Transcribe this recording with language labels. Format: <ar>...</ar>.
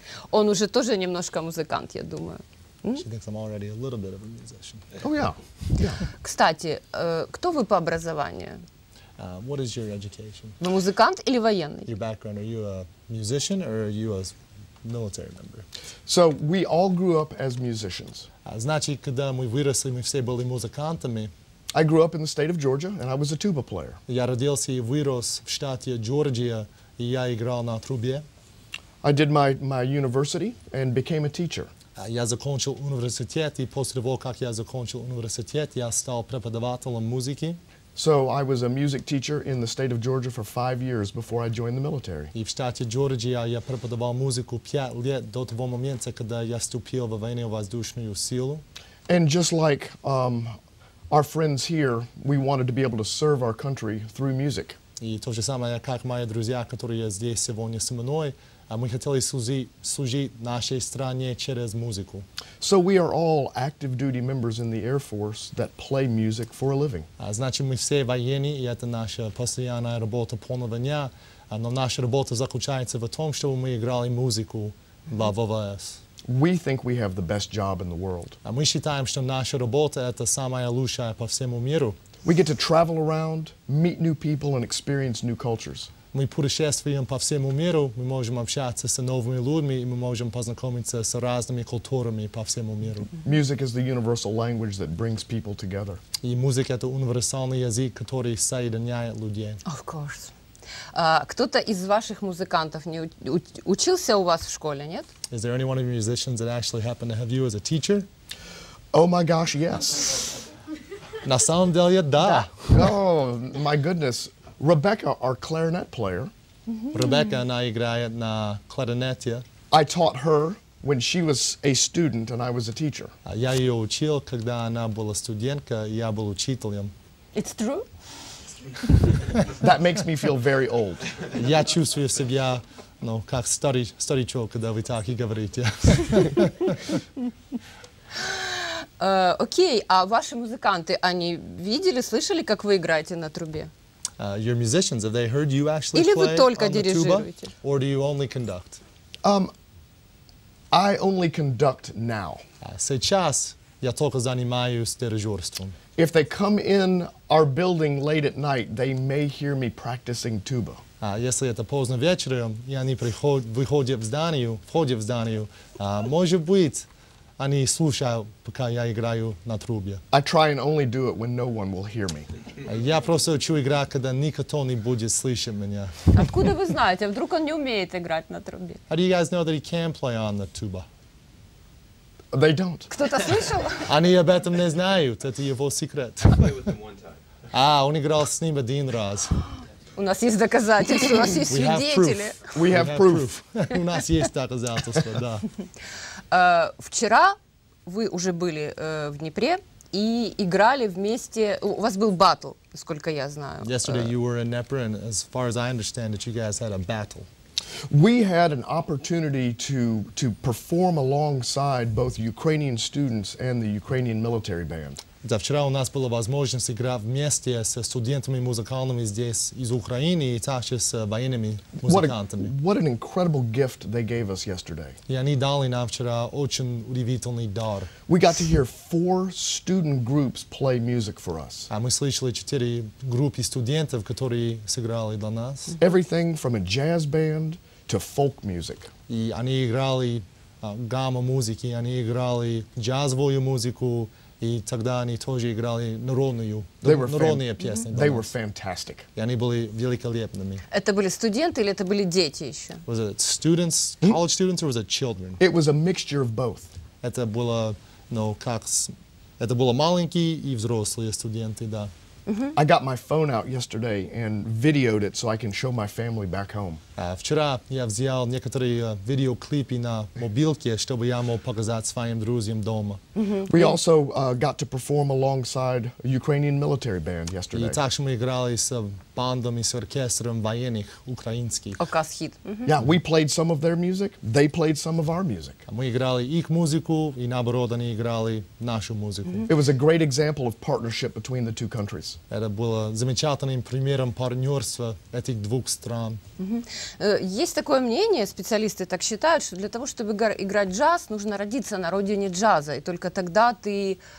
<ru>Он уже тоже немножко музыкант, я думаю.</ru> <en>She thinks I'm already a little bit of a musician. Oh, yeah.</en> <ru>Кстати, кто вы по образованию?</ru> <en>What is your education?</en> <ru>Вы музыкант или военный?</ru> <en>Your background, are you a musician or are you a military member? So, we all grew up as musicians.</en> <ru>Значит, когда мы выросли, мы все были музыкантами.</ru> <en>I grew up in the state of Georgia, and I was a tuba player.</en> <ru>Я родился и вырос в штате Джорджия, и я играл на трубе.</ru> <en>I did my university and became a teacher.</en> <uk>Я закончил університет, і після того, як я закончил університет, я став преподавателем музики.</uk> <en>So I was a music teacher in the state of Georgia for 5 years before I joined the military.</en> <uk>І в штаті Джорджія я преподавав музику 5 років до того моменту, коли я вступив в Військово-Воздушну силу.</uk> <en>And just like our friends here, we wanted to be able to serve our country through music.</en> <uk>І то ж саме, як мої друзі, які є здесь сьогодні зі мною, ми хотіли служити нашій країні через музику.</uk> <en>So we are all active duty members in the Air Force that play music for a living.</en> <uk>Значить, ми всі воєнні, і це наша постійна робота поновлення. Але наша робота заключається в тому, щоб ми грали музику для ВВС.</uk> <en>We think we have the best job in the world.</en> <uk>Ми вважаємо, що наша робота – це найкраща по всьому світу.</uk> <en>We get to travel around, meet new people, and experience new cultures.</en> <uk>Ми путешествуємо по всьому світу, ми можемо общатися з новими людьми, і ми можемо познайомитися з різними культурами по всьому світу.</uk> <en>Music is the universal language that brings people together.</en> <uk>І музика – це універсальний язик, який з'єднує людей.</uk> <en>Of course.</en> <uk>Хтось із ваших музикантів не учився у вас в школі, ні?</uk> <en>Is there any one of your musicians that actually happened to have you as a teacher? Oh my gosh, yes.</en> <ru>На самом деле, да.</ru> <en>Oh, my goodness. Rebecca, our clarinet player.</en> <ru>Rebecca, она играет на кларинете.</ru> <en>I taught her when she was a student and I was a teacher.</en> <ru>Я её учил, когда она была студентка, я был учителем.</ru> <en>It's true? That makes me feel very old.</en> <ru>Я чувствую себя, ну, как старый человек, когда вы так и говорите. Окей, а ваши музыканты, они видели, слышали, как вы играете на трубе?</ru> <en>Your musicians, have they heard you actually play on the tuba? Or do you only conduct? I only conduct now.</en> <ru>Сейчас я только занимаюсь дирижерством.</ru> <en>If they come in our building late at night, they may hear me practicing tuba.</en> <ru>Если это поздно вечером, и они входят в здание, может быть, они слушают, пока я играю на трубе.</ru> <en>I try and only do it when no one will hear me.</en> <ru>Я просто учу играть, когда никто не будет слышать меня. Откуда вы знаете? Вдруг он не умеет играть на трубе?</ru> <en>How do you guys know that he can play on the tuba? They don't.</en> <ru>Кто-то слышал? Они об этом не знают. Это его секрет.</ru> <en>I played with him one time.</en> <ru>Он играл с ним один раз. У нас есть доказательства, у нас есть свидетели.</ru> <en>We have proof.</en> <ru>У нас есть доказательства, да. Вчера вы уже были в Днепре и играли вместе. У вас был батл, насколько я знаю.</ru> <en>Yesterday you were in Dnipro, and as far as I understand it, you guys had a battle. We had an opportunity to perform alongside both Ukrainian students and the Ukrainian military band.</en> <ru>Да, вчера у нас была возможность играть вместе со студентами музыкальными здесь из Украины и также с военными музыкантами.</ru> <en>What an incredible gift they gave us yesterday.</en> <ru>И они дали нам вчера очень удивительный дар.</ru> <en>We got to hear 4 student groups play music for us.</en> <ru>А мы слышали 4 группы студентов, которые сыграли для нас.</ru> <en>Everything from a jazz band to folk music.</en> <ru>И они играли гамма музыки, они играли джазовую музыку,</ru> <uk>і тоді вони теж грали народні пісні.</uk> <en>They were fantastic.</en> <uk>І вони були великолепними. Це були студенти чи це були діти ще?</uk> <en>Was it students, college students, or was it children? It was a mixture of both.</en> <uk>Це було, ну, як, це було маленькі і взрослі студенти, да.</uk> <en>I got my phone out yesterday and videoed it so I can show my family back home.</en> <uk>Вчора я взяв некоторі відеокліпи на мобілці, щоб я мог показати своїм друзям вдома.</uk> <en>We also got to perform alongside Ukrainian military band yesterday.</en> <uk>І також ми грали з бандом і з оркестром воєнних українських. Оказ хіт.</uk> <en>Yeah, we played some of their music, they played some of our music.</en> <uk>Ми грали їх музику і наоборот, вони грали нашу музику.</uk> <en>It was a great example of partnership between the two countries.</en> <uk>Це було замечательним приміром партнерства цих двох стран.</uk> <ru>Есть такое мнение, специалисты так считают, что для того, чтобы играть джаз, нужно родиться на родине джаза, и только тогда ты</ru>